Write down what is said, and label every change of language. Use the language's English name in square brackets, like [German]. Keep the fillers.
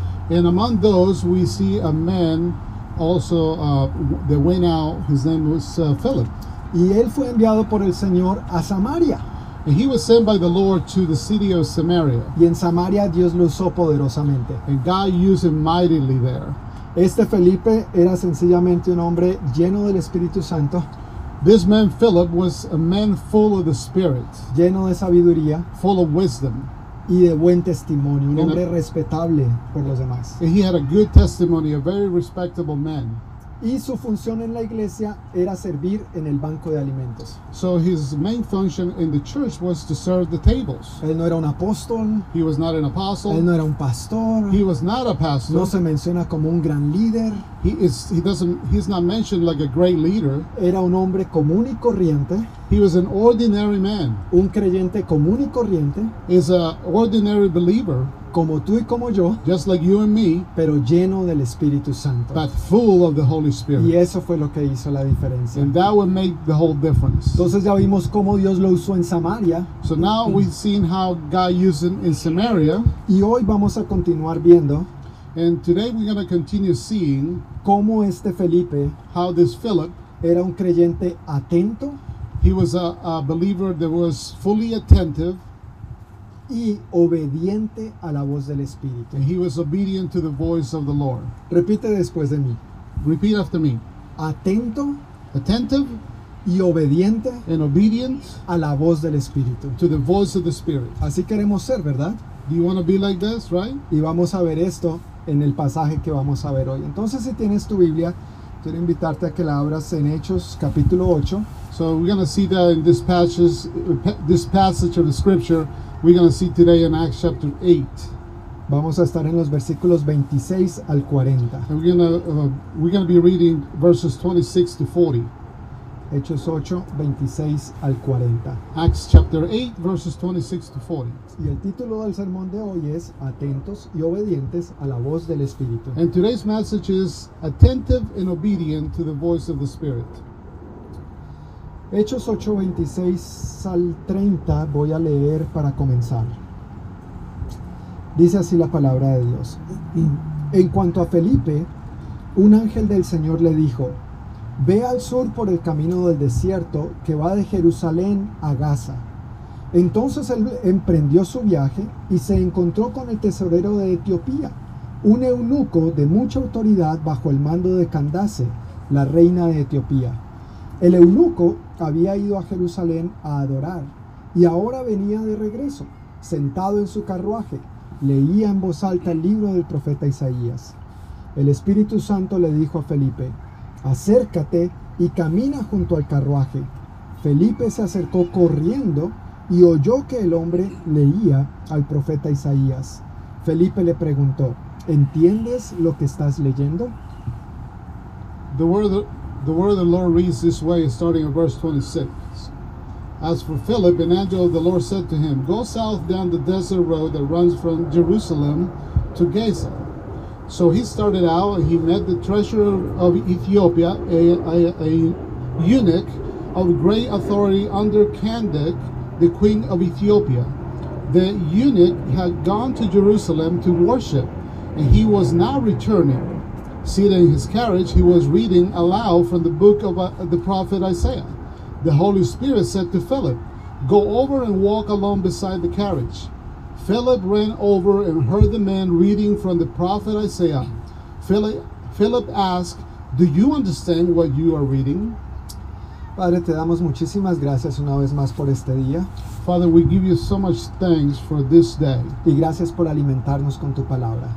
[English] And among those we see a man also the uh, that went out. his name was uh, Philip. [Spanish] Y él fue enviado por el Señor a Samaria. [English] And he was sent by the Lord to the city of Samaria. Samaria and in Samaria God used him mightily there. [Spanish] Este Felipe era sencillamente un hombre lleno del Espíritu Santo. [English] This man Philip was a man full of the Spirit, [Spanish] lleno de sabiduría, [English] full of wisdom, [Spanish] y de buen testimonio, un hombre respetable por los demás. [English] He had a good testimony, a very respectable man [Spanish] y su función en la iglesia era servir en el banco de alimentos. [English] So his main function in the church was to serve the tables. [Spanish] Él no era un apóstol. [English] He was not an apostle. [Spanish] Él no era un pastor. [English] He was not a pastor. [Spanish] No se menciona como un gran líder. [English] He is he doesn't he's not mentioned like a great leader. [Spanish] Era un hombre común y corriente. [English] He was an ordinary man. [Spanish] Un creyente común y corriente. [English] Is a ordinary believer. [Spanish] Como tú y como yo. [English] Just like you and me. [Spanish] Pero lleno del Espíritu Santo. [English] But full of the Holy Spirit. [Spanish] Y eso fue lo que hizo la diferencia. [English] And that would make the whole difference. [Spanish] Entonces ya vimos cómo Dios lo usó en Samaria. [English] So now we've seen how God used it in Samaria. [Spanish] Y hoy vamos a continuar viendo. [English] And today we're going to continue seeing [Spanish] cómo este Felipe, [English] how this Philip, [Spanish] era un creyente atento. [English] He was a, a, believer that was fully attentive [Spanish] y obediente a la voz del Espíritu. [English] And he was obedient to the voice of the Lord. [Spanish] Repite después de mí. [English] Repeat after me. [Spanish] Atento, attentive y obediente [English] and obedient [Spanish] a la voz del Espíritu. [English] To the voice of the Spirit. [Spanish] Así queremos ser, ¿verdad? [English] Do you want to be like this, right? [Spanish] Y vamos a ver esto en el pasaje que vamos a ver hoy. Entonces, si tienes tu Biblia, Quiero invitarte a que la abras en Hechos, capítulo [English] so we're going to see that in this passage, this passage of the scripture we're going to see today in Acts chapter 8. [Spanish] Vamos a estar en los versículos 26 al 40. [English] And we're going uh, to be reading verses 26 to 40. [Spanish] Hechos 8, 26 al 40. [English] Acts, chapter 8, verses 26 to 40. [Spanish] Y el título del sermón de hoy es Atentos y obedientes a la voz del Espíritu. [English] Today's message is Attentive and obedient to the voice of the Spirit. [Spanish] Hechos 8, 26 al 30 voy a leer para comenzar. Dice así la palabra de Dios. En cuanto a Felipe, un ángel del Señor le dijo, Ve al sur por el camino del desierto que va de Jerusalén a Gaza. Entonces él emprendió su viaje y se encontró con el tesorero de Etiopía, un eunuco de mucha autoridad bajo el mando de Candace, la reina de Etiopía. El eunuco había ido a Jerusalén a adorar y ahora venía de regreso, sentado en su carruaje, leía en voz alta el libro del profeta Isaías. El Espíritu Santo le dijo a Felipe, acércate y camina junto al carruaje. Felipe se acercó corriendo y oyó que el hombre leía al profeta Isaías. Felipe le preguntó, ¿entiendes lo que estás leyendo? [English] The word, the, the word of the Lord reads this way, starting at verse 26. As for Philip, an angel of the Lord said to him, Go south down the desert road that runs from Jerusalem to Gaza. So he started out, and he met the treasurer of Ethiopia, a, a, a eunuch of great authority under Candace, the queen of Ethiopia. The eunuch had gone to Jerusalem to worship, and he was now returning. Seated in his carriage, he was reading aloud from the book of uh, the prophet Isaiah. The Holy Spirit said to Philip, Go over and walk along beside the carriage. Philip ran over and heard the man reading from the prophet Isaiah. Philip, Philip, asked, Do you understand what you are reading? [Spanish] Padre, te damos muchísimas gracias una vez más por este día. [English] Father, we give you so much thanks for this day. [Spanish] Y gracias por alimentarnos con tu palabra.